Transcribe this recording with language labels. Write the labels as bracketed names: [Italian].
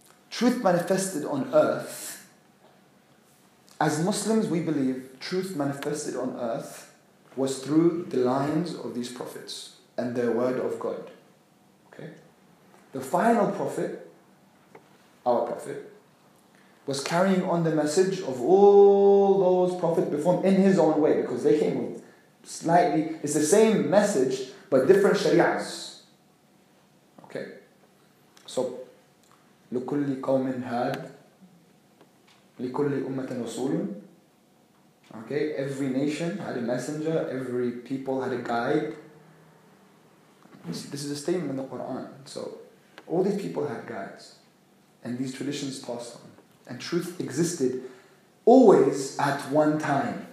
[English] Truth manifested on earth. As Muslims, we believe truth manifested on earth was through the lines of these prophets and their word of God. Okay? The final prophet, our prophet, was carrying on the message of all those prophets before him in his own way, because they came with slightly, it's the same message, but different sharia's. Okay? [Arabic] So, لكل قوم هاد لكل أمة رسول. [English] Okay, every nation had a messenger, every people had a guide. This is a statement in the Quran. So, all these people had guides, and these traditions passed on. And truth existed always at one time.